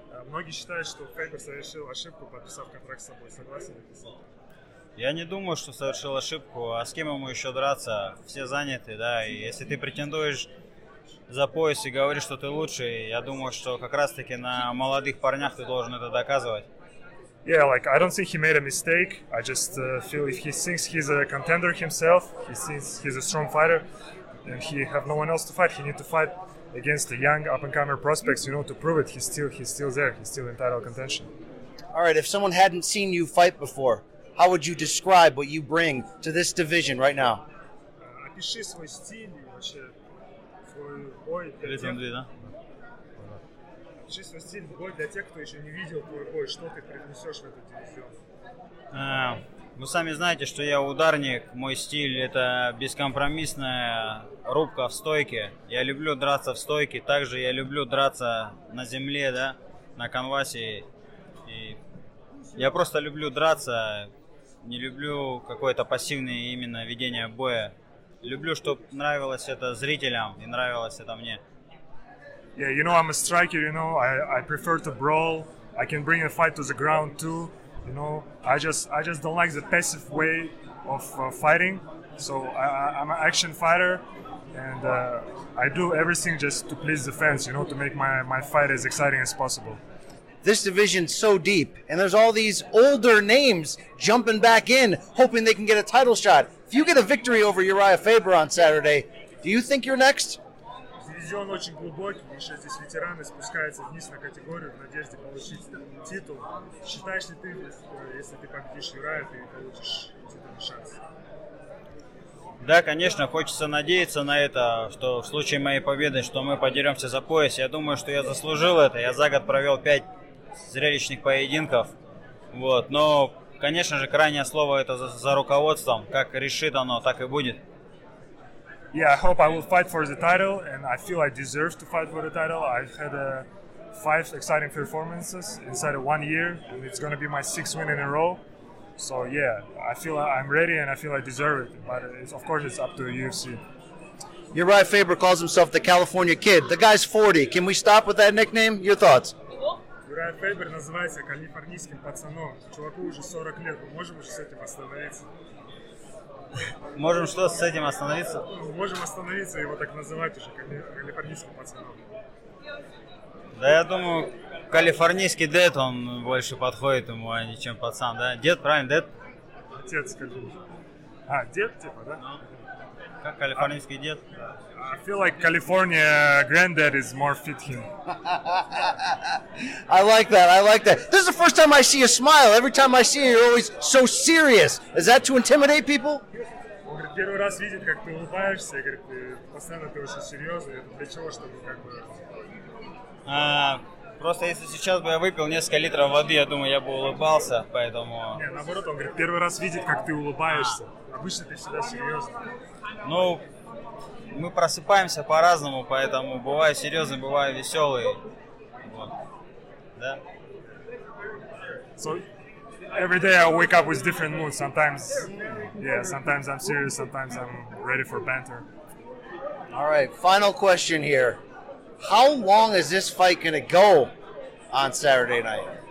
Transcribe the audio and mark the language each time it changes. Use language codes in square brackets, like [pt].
[ru] Многие считают, что Фейбер совершил ошибку, подписав контракт с собой. Согласен или нет? Я не думаю, что совершил ошибку. А с кем ему еще драться? Все заняты, да? И если ты претендуешь за пояс и говоришь, что ты лучший, я думаю, что как раз-таки на молодых парнях ты должен это доказывать. [en] Yeah, like, I don't think he made a mistake. I just feel if he thinks he's a contender himself, he thinks he's a strong fighter, and he have no one else to fight. He need to fight against the young up-and-comer prospects, you know, to prove it. He's still there. He's still in title contention. All right, if someone hadn't seen you fight before, how would you describe what you bring to this division right now? [ru] Опиши свой стиль вообще свой бой. Опиши свой стиль бой для тех, кто еще не видел твой бой. Что ты принесешь в этот дивизион? Вы сами знаете, что я ударник. Мой стиль – это бескомпромиссная рубка в стойке. Я люблю драться в стойке. Также я люблю драться на земле, да, на канвасе. И я просто люблю драться. Не люблю какое-то пассивное именно ведение боя. Люблю, чтобы нравилось это зрителям и нравилось это мне. [en] Yeah, you know, I'm a striker, you know. I prefer to brawl. I can bring a fight to the ground too. You know, I just don't like the passive way of fighting. So I'm an action fighter, and I do everything just to please the fans. You know, to make my fight as exciting as possible. This division's so deep, and there's all these older names jumping back in, hoping they can get a title shot. If you get a victory over Uriah Faber on Saturday, do you think you're next? [ru] Дивизион очень глубокий, еще здесь ветераны спускаются вниз на категорию в надежде получить титул. Считаешь ли ты, если ты победишь Юрая, ты получишь титульный шанс? Да, конечно, хочется надеяться на это, что в случае моей победы, что мы подеремся за пояс. Я думаю, что я заслужил это. Я за год провел 5 зрелищных поединков. Вот. Но, конечно же, крайнее слово это за руководством. Как решит оно, так и будет. [en] Yeah, I hope I will fight for the title, and I feel I deserve to fight for the title. I've had 5 exciting performances inside of 1 year, and it's going to be my 6th win in a row. So yeah, I feel I'm ready, and I feel I deserve it. But it's up to UFC. Uriah Faber calls himself the California Kid. The guy's 40. Can we stop with that nickname? Your thoughts? [ru] Uriah Faber называется калифорнийским пацаном. Чуваку уже 40 лет. Мы можем уже с этим остановиться? Можем что с этим остановиться? Можем остановиться его так называть уже калифорнийским пацаном. Да, я думаю, калифорнийский дед, он больше подходит ему, а не чем пацан, да? Дед, правильно, дед? Отец, скажу. А, дед, типа, да? Ну, как калифорнийский дед? [en] I feel like California granddad is more fit him. I like that. This is the first time I see a smile. Every time I see you, you're always so serious. Is that to intimidate people? [ru] Он говорит, первый раз видит, как ты улыбаешься. Говорит, постоянно ты очень серьезный. Для чего, чтобы как бы... Просто если сейчас бы я выпил несколько литров воды, я думаю, я бы улыбался, поэтому... Не, наоборот, он говорит, первый раз видит, как ты улыбаешься. Обычно ты всегда серьезный. Ну, мы просыпаемся по-разному, поэтому бываю серьезный, бываю веселый. Вот. Да? [en] So, every day I wake up with different moods. Sometimes, yeah, sometimes I'm serious, sometimes I'm ready for banter. All right, final question here. How long is this fight going to go on Saturday night?